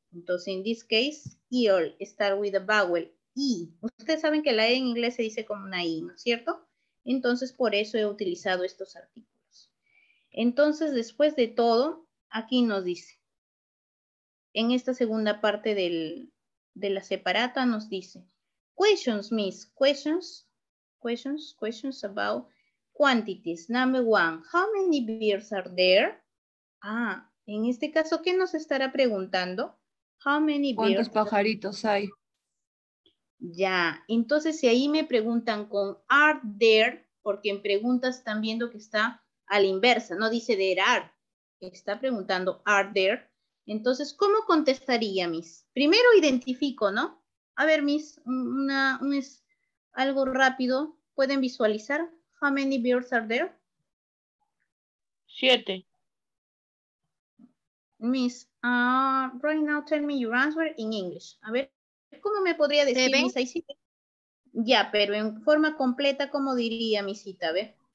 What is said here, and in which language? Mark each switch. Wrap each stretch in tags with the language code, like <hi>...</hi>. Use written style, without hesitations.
<es>Entonces,</es> <en>in this case, ear, start with a vowel, E.</en> <es>Ustedes saben que la E en inglés se dice como una I, ¿no es cierto? Entonces, por eso he utilizado estos artículos. Entonces, después de todo, aquí nos dice, en esta segunda parte de la separata nos dice,</es> <en>questions, miss, questions, questions, questions about quantities. Number one, how many beers are there?</en> <es>Ah, en este caso, ¿qué nos estará preguntando?</es> <en>How many</en> <es>beers? ¿Cuántos pajaritos hay? Ya, entonces si ahí me preguntan con are there, porque en preguntas están viendo que está a la inversa, no dice there are, está preguntando are there. Entonces, ¿cómo contestaría, Miss? Primero identifico, ¿no? A ver, Miss, es algo rápido. ¿Pueden visualizar?</es> <en>How many beers are there? 7. Miss, right now tell me your answer in English.</en> <es>A ver, ¿cómo me podría decir,</es> <en>¿Seven?</en> <es>Miss? Ahí sí. Ya, pero en forma completa, ¿cómo diría, Missita? A ver.</es>